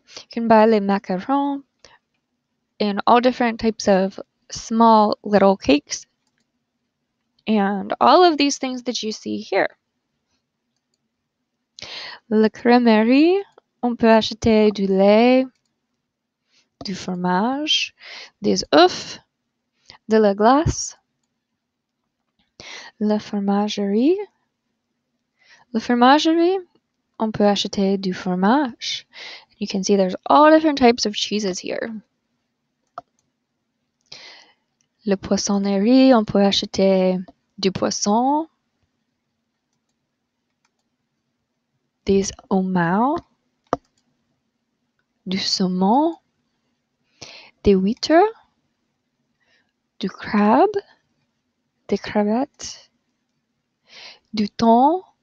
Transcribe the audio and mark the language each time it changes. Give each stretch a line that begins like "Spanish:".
English: You can buy les macarons and all different types of small little cakes and all of these things that you see here.
French: La crèmerie. On peut acheter du lait, du fromage, des œufs, de la glace. La fromagerie. La fromagerie, on peut acheter du fromage.
English: You can see there's all different types of cheeses here.
French: La poissonnerie, on peut acheter du poisson, des homards, du saumon, des huîtres, du crabe, des crevettes, du thon.